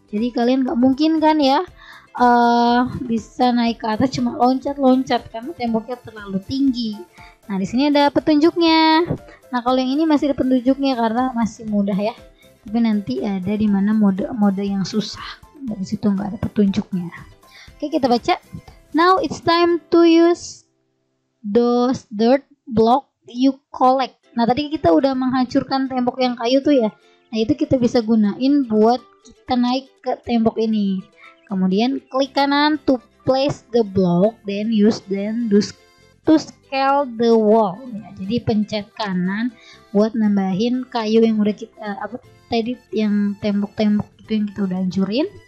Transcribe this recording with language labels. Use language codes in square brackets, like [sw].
[id] Jadi kalian nggak mungkin kan ya bisa naik ke atas cuma loncat-loncat karena temboknya terlalu tinggi. Nah, di sini ada petunjuknya. Nah, kalau yang ini masih ada petunjuknya karena masih mudah ya. Tapi nanti ada di mana mode-mode yang susah. Dari situ nggak ada petunjuknya. Oke, kita baca. [en] Now it's time to use those dirt block you collect. [id] Nah, tadi kita udah menghancurkan tembok yang kayu tuh ya. Nah, itu kita bisa gunain buat kita naik ke tembok ini. Kemudian klik kanan [en] to place the block, then use then to scale the wall. [id] Ya, jadi pencet kanan buat nambahin kayu yang udah kita apa tadi yang tembok-tembok itu yang kita udah hancurin.